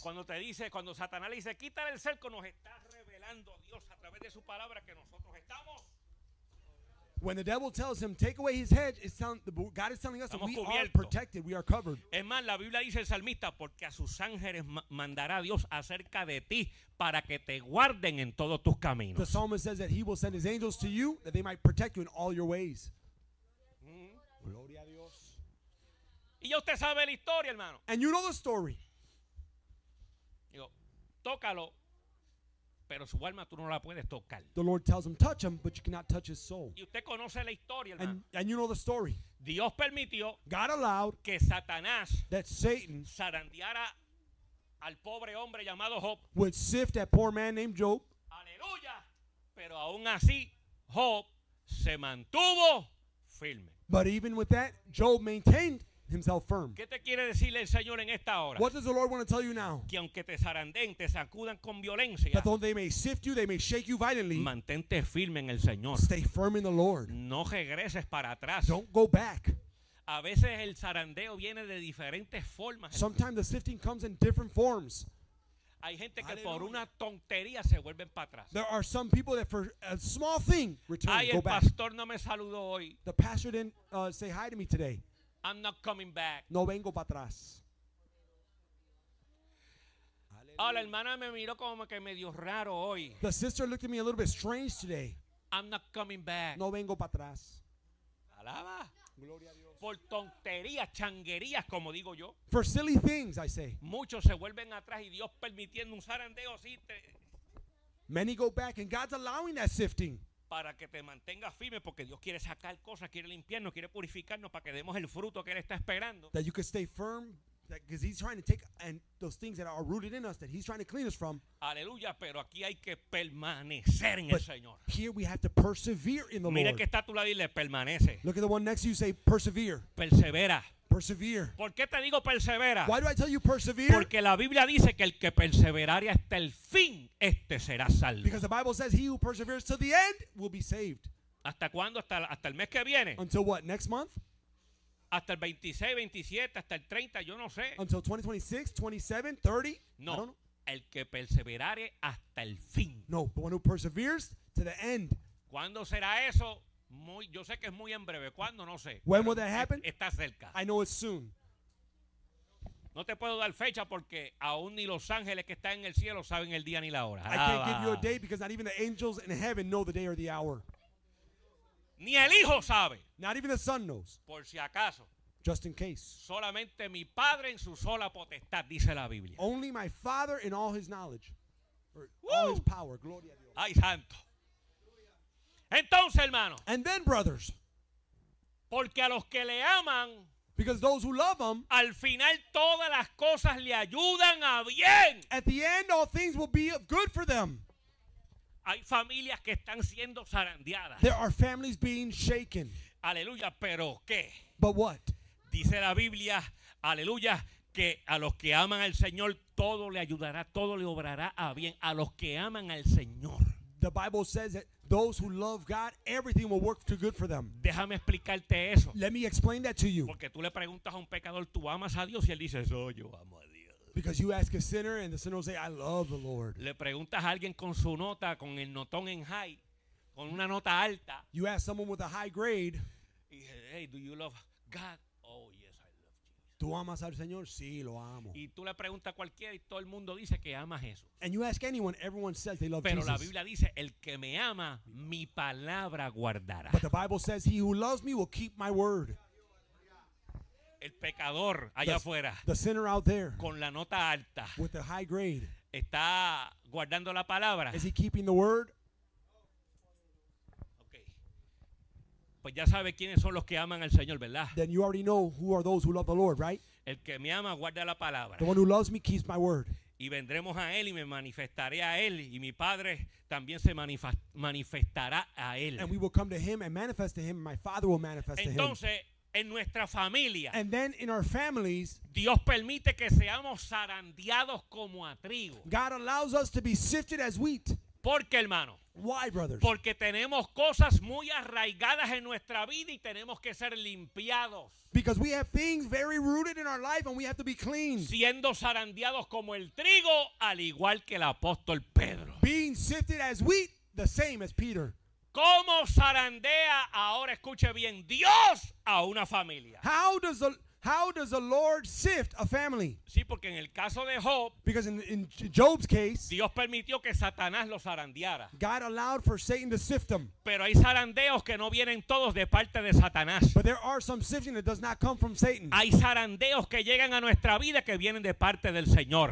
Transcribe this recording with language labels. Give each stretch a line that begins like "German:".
Spanish: Cuando Satanás le dice, quítale el cerco, nos está revelando Dios a través de su palabra que nosotros estamos.
English: When the devil tells him take away his head, it's telling God is telling us that we
Spanish: cubierto.
English: Are protected, we are covered.
Spanish: Es más, la Biblia dice el salmista, porque a sus ángeles mandará Dios acerca de ti para que te guarden en todos tus caminos.
English: The psalmist says that he will send his angels to you that they might protect you in all your ways.
Spanish: Gloria a Dios. Y ya usted sabe la historia, hermano.
English: And you know the story.
Spanish: Digo, tócalo. Pero su alma tú no la puedes tocar.
English: The Lord tells him, touch him, but you cannot touch his soul.
Spanish: Y usted conoce la historia, hermano.
English: And you know the story.
Spanish: Dios permitió
English: God allowed
Spanish: que Satanás
English: that Satan
Spanish: zarandeara al pobre hombre llamado Job.
English: Would sift that poor man named Job.
Spanish: Aleluya. Pero aún así, Job se mantuvo firme.
English: But even with that, Job maintained himself firm.
Spanish: ¿Qué te quiere decirle el Señor en esta hora?
English: What does the Lord want to tell you now?
Spanish: Que aunque te zarandeen, te sacudan con violencia.
English: That though they may sift you, they may shake you violently.
Spanish: Mantente firme en el Señor.
English: Stay firm in the Lord.
Spanish: No regreses para atrás.
English: Don't go back.
Spanish: A veces el zarandeo viene de diferentes formas.
English: Sometimes the sifting comes in different forms.
Spanish: Hay gente que por una tontería se vuelven para atrás.
English: There are some people that for a small thing return.
Spanish: Ay, el pastor no me saludó hoy.
English: The pastor didn't say hi to me today. I'm not coming back.
Spanish: No vengo para atrás. Oh, la hermana me miró como que medio raro hoy.
English: The sister looked at me a little bit strange today. I'm not coming back.
Spanish: No vengo para atrás. Alaba. Gloria a Dios. Por tonterías, changuerías, como digo yo.
English: For silly things, I say.
Spanish: Muchos se vuelven atrás y Dios permitiendo un zarandeo así.
English: Many go back and God's allowing that sifting.
Spanish: Para que te mantengas firme, porque Dios quiere sacar cosas, quiere limpiarnos, quiere purificarnos, para que demos el fruto que Él está esperando.
English: That you can stay firm, because He's trying to take and those things that are rooted in us, that He's trying to clean us from.
Spanish: Aleluya, pero aquí hay que permanecer en
English: but
Spanish: el Señor.
English: Here we have to persevere in the
Spanish: mira
English: Lord.
Spanish: Mira que está a tu lado y le permanece.
English: Look at the one next to you, say persevere.
Spanish: Persevera.
English: Persevere.
Spanish: ¿Por qué te digo persevera?
English: Why do I tell you persevere?
Spanish: Porque la Biblia dice que el que perseverare hasta el fin, este será salvo.
English: Because the Bible says he who perseveres to the end will be saved.
Spanish: ¿Hasta cuándo? Hasta el mes que viene.
English: Until what? Next month?
Spanish: Hasta el 26, 27, hasta el 30, yo no sé.
English: Until 2026, 27, 30? No. I don't know.
Spanish: El que perseverare hasta el fin.
English: No, the one who perseveres to the end.
Spanish: ¿Cuándo será eso? Muy, yo sé que es muy en breve. ¿Cuándo? No sé.
English: When will that happen?
Spanish: Está cerca.
English: I know it's soon.
Spanish: No te puedo dar fecha porque aún ni los ángeles que están en el cielo saben el día ni la hora.
English: I can't give you a day because not even the angels in heaven know the day or the hour.
Spanish: Ni el Hijo sabe.
English: Not even the Son knows.
Spanish: Por si acaso.
English: Just in case.
Spanish: Solamente mi Padre en su sola potestad, dice la Biblia.
English: Only my Father in all His knowledge. Or all His power.
Spanish: Gloria a Dios. Ay, santo. Entonces, hermano.
English: And then, brothers.
Spanish: Porque a los que le aman.
English: Because those who love Him.
Spanish: Al final, todas las cosas le ayudan a bien.
English: At the end, all things will be good for them.
Spanish: Hay familias que están siendo zarandeadas.
English: There are families being shaken.
Spanish: Aleluya, pero ¿qué?
English: But what?
Spanish: Dice la Biblia, aleluya, que a los que aman al Señor, todo le ayudará, todo le obrará a bien. A los que aman al Señor.
English: The Bible says that those who love God, everything will work to good for them.
Spanish: Déjame explicarte eso.
English: Let me explain that to you.
Spanish: Porque tú le preguntas a un pecador, ¿tú amas a Dios? Y él dice, oh, yo amo a Dios.
English: Because you ask a sinner and the sinner will say, I love the Lord.
Spanish: Le preguntas a alguien con su nota, con el notón en high, con una nota alta.
English: You ask someone with a high grade.
Spanish: Y dice,
English: hey, do you love God? Oh, yes, I love Jesus.
Spanish: ¿Tú amas al Señor? Sí, lo amo. Y tú le preguntas a cualquiera y todo el mundo dice que ama a Jesús.
English: And you ask anyone, everyone says they love
Spanish: pero
English: Jesus.
Spanish: Pero la Biblia dice, el que me ama, mi palabra guardará.
English: But the Bible says, he who loves me will keep my word.
Spanish: El pecador allá afuera.
English: The sinner out there.
Spanish: Con la nota alta.
English: With the high grade.
Spanish: Está guardando la palabra.
English: Is he keeping the word? Okay.
Spanish: Pues ya sabe quiénes son los que aman al Señor, ¿verdad?
English: Then you already know who are those who love the Lord, right?
Spanish: El que me ama guarda la palabra.
English: The one who loves me keeps my word.
Spanish: Y vendremos a él y me manifestaré a él y mi Padre también se manifestará a él.
English: And we will come to him and manifest to him and my Father will manifest
Spanish: entonces,
English: to him.
Spanish: Entonces en nuestra familia.
English: And then in our families,
Spanish: Dios permite que seamos zarandeados como a trigo.
English: God allows us to be sifted as wheat.
Spanish: ¿Por qué, hermano?
English: Why, brothers?
Spanish: Porque tenemos cosas muy arraigadas en nuestra vida y tenemos que ser limpiados.
English: Because we have things very rooted in our life and we have to be clean.
Spanish: Siendo zarandeados como el trigo, al igual que el apóstol Pedro.
English: Being sifted as wheat, the same as Peter.
Spanish: ¿Cómo zarandea ahora, escuche bien, Dios a una familia?
English: How does the Lord sift a family?
Spanish: Sí, porque en el caso de Job,
English: because in Job's case,
Spanish: Dios permitió que Satanás lo zarandeara.
English: God allowed for Satan to sift him.
Spanish: Pero hay zarandeos que no vienen todos de parte de Satanás.
English: But there are some sifting that does not come from Satan.
Spanish: Hay zarandeos que llegan a nuestra vida que vienen de parte del Señor.